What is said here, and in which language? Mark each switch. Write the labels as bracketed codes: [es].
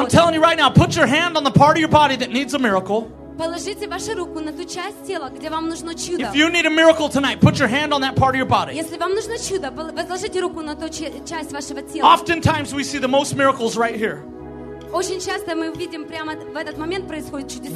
[en] I'm telling you right now, put your hand on the part of your body that needs a miracle. [ru] Положите вашу руку на ту часть тела, где вам нужно чудо. [en] If you need a miracle tonight, put your hand on that part of your body. [ru] Если вам нужно чудо, положите руку на ту часть вашего тела. [en] Oftentimes we see the most miracles right here. [ru] Очень часто мы видим прямо в этот момент происходит чудеса.